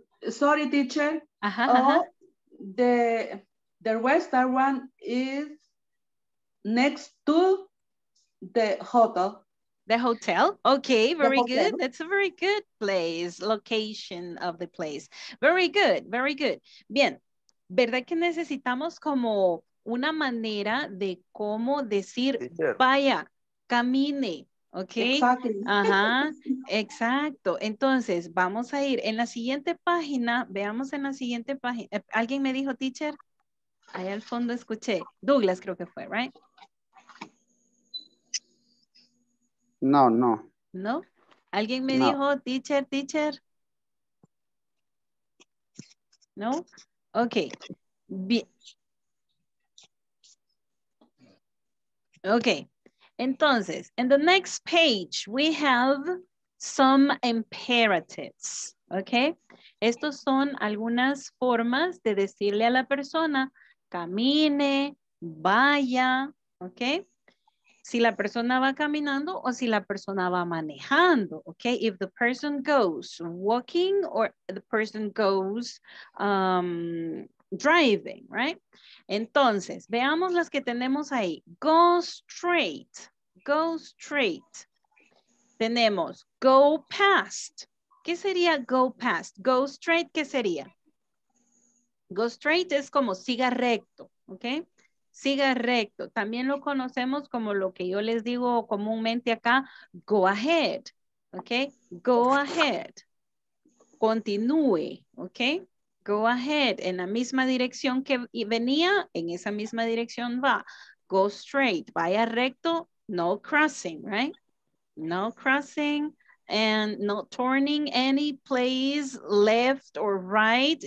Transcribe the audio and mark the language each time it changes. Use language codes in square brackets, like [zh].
[en] Sorry, teacher. The restaurant is next to the hotel. The hotel. Okay, very good. That's a very good place, location of the place. Very good, very good. [es] Bien, ¿verdad que necesitamos como una manera de cómo decir vaya, camine? [en] Okay. Exactly. [es] Ajá. Exacto. Entonces, vamos a ir en la siguiente página. Veamos en la siguiente página. ¿Alguien me dijo, teacher? Ahí al fondo escuché. Douglas, creo que fue, right? No, no. ¿No? ¿Alguien me dijo, teacher? ¿No? Okay. Bien. [en] Okay. Entonces, in the next page, we have some imperatives, okay? [es] Estos son algunas formas de decirle a la persona, camine, vaya, okay? Si la persona va caminando o si la persona va manejando, okay? [en] If the person goes walking or the person goes driving, right? [es] Entonces, veamos las que tenemos ahí. [en] Go straight. Go straight. Tenemos go past. [es] ¿Qué sería go past? Go straight, ¿qué sería? Go straight es como siga recto, ¿ok? Siga recto. También lo conocemos como lo que yo les digo comúnmente acá, go ahead, ¿ok? [en] Go ahead. Continúe, ¿ok? Go ahead. [es] En la misma dirección que venía, en esa misma dirección va. [en] Go straight, [es] vaya recto. [en] No crossing, right? No crossing and not turning any place left or right.